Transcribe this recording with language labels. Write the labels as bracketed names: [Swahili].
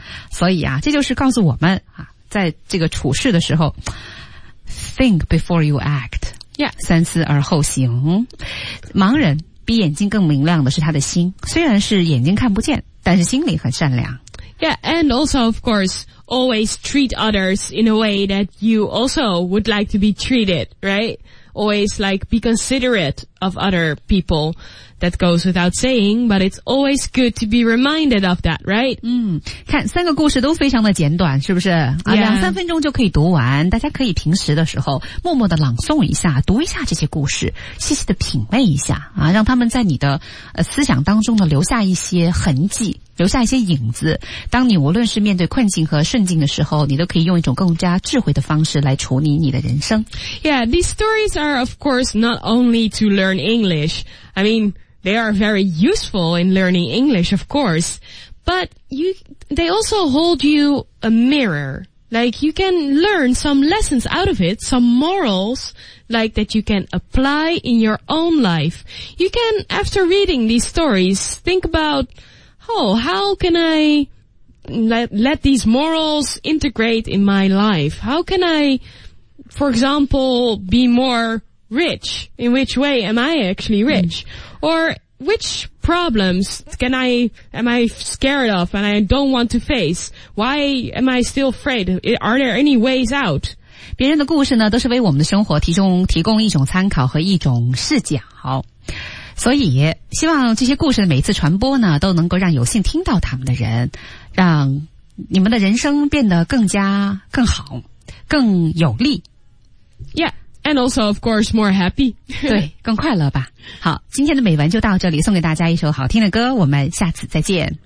[Chinese] 所以啊，这就是告诉我们啊，在这个处事的时候 [English] think before you act、 yeah. [Chinese] 三思而后行。盲人比眼睛更明亮的是他的心，虽然是眼睛看不见，但是心里很善良。 [English] Yeah, and also of course always treat others in a way that you also would like to be treated, right? Always like be considerate of other people. That goes without saying, but it's always good to be reminded of that, right? [Chinese] 嗯，看三个故事都非常的简短，是不是、 [English] yeah. [Chinese] 啊、两三分钟就可以读完，大家可以平时的时候默默的朗诵一下，读一下这些故事，细细的品味一下啊，让他们在你的、思想当中呢留下一些痕迹，留下一些影子，当你无论是面对困境和顺境的时候，你都可以用一种更加智慧的方式来处理你的人生。 [English] Yeah, these stories are of course not only to learn English, I mean they are very useful in learning English of course, but you, they also hold you a mirror, like you can learn some lessons out of it, some morals like that you can apply in your own life. You can, after reading these stories, think about, oh, how can I let these morals integrate in my life? How can I, for example, be more rich? In which way am I actually rich? Mm. Or which problems am I scared of and I don't want to face? Why am I still afraid? Are there any ways out? [Chinese] 别人的故事呢，都是为我们的生活提供一种参考和一种视角。所以希望这些故事的每次传播呢，都能够让有幸听到他们的人，让你们的人生变得更加更好更有力。 [English] Yeah, and also of course more happy. [Chinese] 对，更快乐吧。好，今天的美文就到这里，送给大家一首好听的歌，我们下次再见。